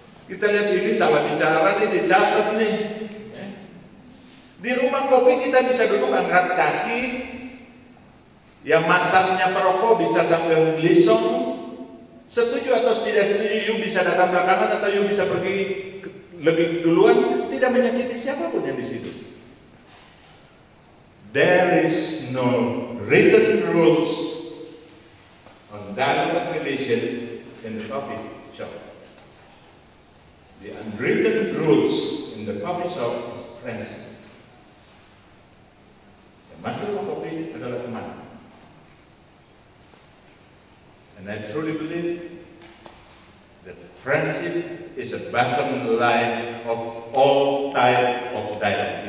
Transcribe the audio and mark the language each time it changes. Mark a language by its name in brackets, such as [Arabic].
[Indonesian] Kita lihat ini salah bicara nih, dicatat nih. Di rumah kopi kita bisa duduk angkat kaki, yang masangnya perokok bisa sambil lisong. Setuju atau tidak setuju, you bisa datang belakangan atau you bisa pergi lebih duluan, tidak menyakiti siapapun yang di situ. [English] There is no written rules on dialogue relation in the coffee shop. The unwritten rules in the coffee shop is friends. [Indonesian] Masuk ke kopi adalah teman. [English] And I truly believe that friendship is a bottom line of all type of dialogue.